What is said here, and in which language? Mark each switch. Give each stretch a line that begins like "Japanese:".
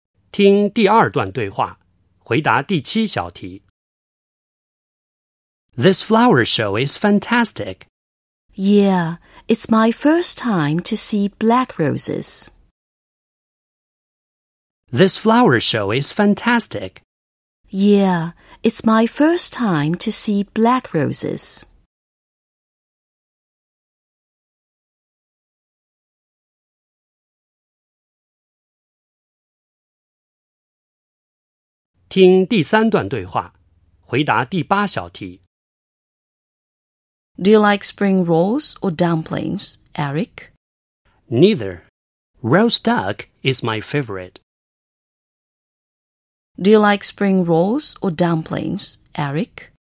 Chinese: 听第二段对话，回答第七小题。
English: This flower show is fantastic. Yeah, it's my first time to see black roses. This flower show is fantastic. Yeah, it's my first time to see black roses.
Chinese: 听第三段对话，回答第八小题。
English: Do you like spring rolls or dumplings, Eric? Neither. Roast duck is my favorite. Do you like spring rolls or dumplings, Eric?